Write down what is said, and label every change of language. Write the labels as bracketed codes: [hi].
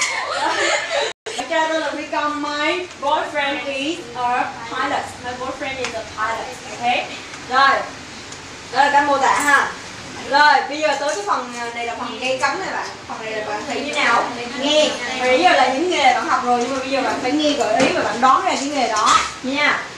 [vi] Trời ơi, bà già rồi đó biết bay. [en] Rồi, my boyfriend is a pilot. My boyfriend is a pilot. Okay. [vi] Rồi, đó là cái mô tả ha. Rồi, bây giờ tới cái phần này là phần nghe cấm này bạn. Phần này là bạn thấy như nào? Nghe. Bây giờ là những nghề bạn học rồi, nhưng mà bây giờ bạn phải nghe gợi ý và bạn đoán ra cái nghề đó nha.